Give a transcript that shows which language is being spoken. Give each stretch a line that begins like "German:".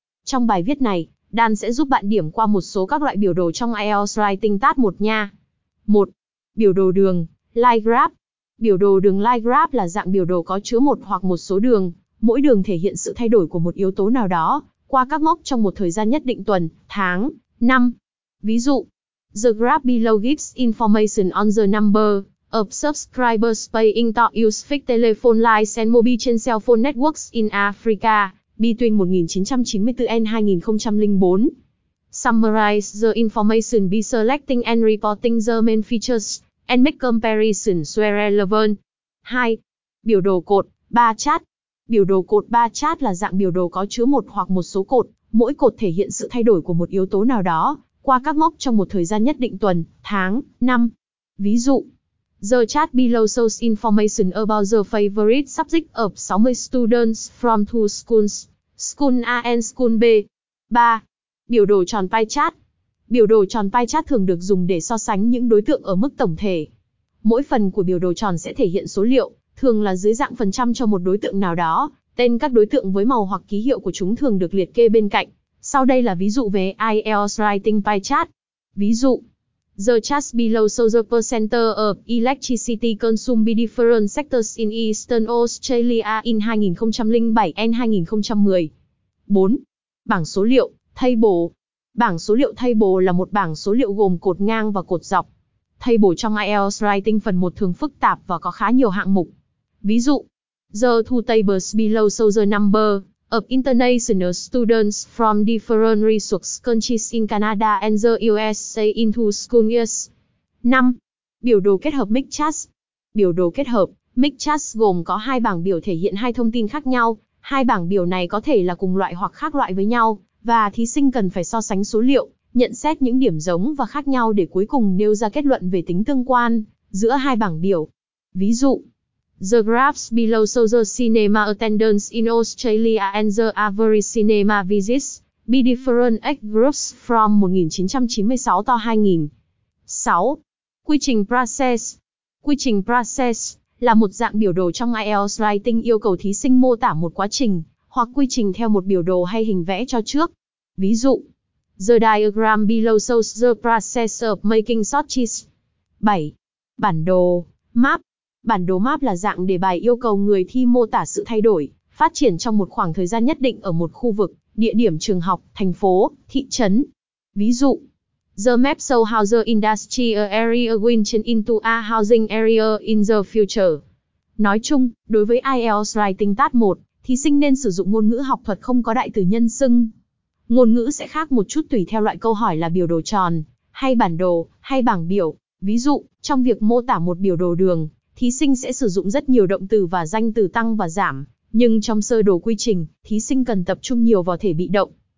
Vietnamese: Trong bài viết này, Dan sẽ giúp bạn điểm qua một số các loại biểu đồ trong IELTS Writing Task 1 nha. 1. Biểu đồ đường, line graph. Biểu đồ đường line graph là dạng biểu đồ có chứa một hoặc một số đường. Mỗi đường thể hiện sự thay đổi của một yếu tố nào đó, qua các mốc trong một thời gian nhất định tuần, tháng, năm. Ví dụ,
English: the graph below gives information on the number of subscribers paying to use fixed telephone lines and mobile
Vietnamese: trên
English: cell phone networks in Africa between 1994 and 2004. Summarize the information by selecting and reporting the main features and make comparisons where relevant.
Vietnamese: 2. Biểu đồ cột, bar chart. Biểu đồ cột bar chart là dạng biểu đồ có chứa một hoặc một số cột, mỗi cột thể hiện sự thay đổi của một yếu tố nào đó, qua các mốc trong một thời gian nhất định tuần, tháng, năm. Ví dụ,
English: the chart below shows information about the favorite subject of 60 students from two schools, school A and school B.
Vietnamese: 3. Biểu đồ tròn pie chart. Biểu đồ tròn pie chart thường được dùng để so sánh những đối tượng ở mức tổng thể. Mỗi phần của biểu đồ tròn sẽ thể hiện số liệu, thường là dưới dạng phần trăm cho một đối tượng nào đó. Tên các đối tượng với màu hoặc ký hiệu của chúng thường được liệt kê bên cạnh. Sau đây là ví dụ về IELTS Writing Pie Chart. Ví dụ,
English: the chart below shows the percentage of electricity consumed by different sectors in Eastern Australia in 2007 and 2010.
Vietnamese: 4. Bảng số liệu, table. Bảng số liệu table là một bảng số liệu gồm cột ngang và cột dọc. Table trong IELTS Writing phần 1 thường phức tạp và có khá nhiều hạng mục. Ví dụ,
English: the two tables below show the number of international students from different resource countries in Canada and the USA in two school years.
Vietnamese: 5. Biểu đồ kết hợp mixed chart. Biểu đồ kết hợp mixed chart gồm có hai bảng biểu thể hiện hai thông tin khác nhau. Hai bảng biểu này có thể là cùng loại hoặc khác loại với nhau, và thí sinh cần phải so sánh số liệu, nhận xét những điểm giống và khác nhau để cuối cùng nêu ra kết luận về tính tương quan giữa hai bảng biểu. Ví dụ,
English: the graphs below show the cinema attendance in Australia and the average cinema visits by different age groups from 1996 to 2000.
Vietnamese: 6. Quy trình process. Quy trình process là một dạng biểu đồ trong IELTS Writing yêu cầu thí sinh mô tả một quá trình hoặc quy trình theo một biểu đồ hay hình vẽ cho trước. Ví dụ,
English: the diagram below shows the process of making sausages.
Vietnamese: 7. Bản đồ, map. Bản đồ map là dạng đề bài yêu cầu người thi mô tả sự thay đổi, phát triển trong một khoảng thời gian nhất định ở một khu vực, địa điểm trường học, thành phố, thị trấn. Ví dụ,
English: the map shows how the industrial area will change into a housing area in the future.
Vietnamese: Nói chung, đối với IELTS Writing Task 1, thí sinh nên sử dụng ngôn ngữ học thuật không có đại từ nhân xưng. Ngôn ngữ sẽ khác một chút tùy theo loại câu hỏi là biểu đồ tròn, hay bản đồ, hay bảng biểu. Ví dụ, trong việc mô tả một biểu đồ đường, thí sinh sẽ sử dụng rất nhiều động từ và danh từ tăng và giảm, nhưng trong sơ đồ quy trình, thí sinh cần tập trung nhiều vào thể bị động.